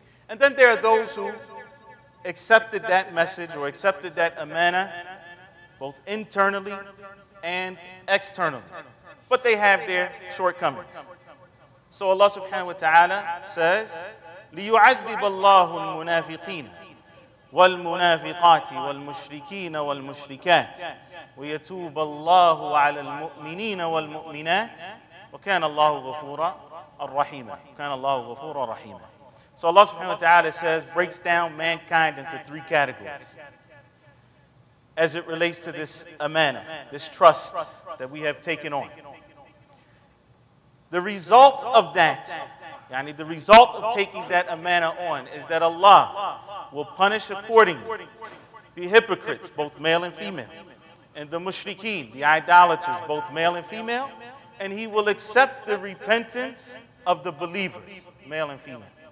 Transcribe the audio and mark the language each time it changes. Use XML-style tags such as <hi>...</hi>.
<en>And then there are those who accepted that message or accepted that amana, both internally and externally. But they have their shortcomings. So Allah subhanahu wa ta'ala says,</en> <ar>لِيُعَذِّبَ اللَّهُ الْمُنَافِقِينَ والمنافقات والمشركين والمشركات ويتوب الله على المؤمنين والمؤمنات وكان الله غفورا رحيما كان الله غفورا رحيما.</ar> <en>So Allah subhanahu wa ta'ala says, breaks down mankind into three categories as it relates to this amana, this trust that we have taken on. The result of that, yani the result of taking that amana on, is that Allah will punish accordingly the hypocrites, both male and female, and the mushrikeen, the idolaters, both male and female, and He will accept the repentance of the believers, male and female.</en>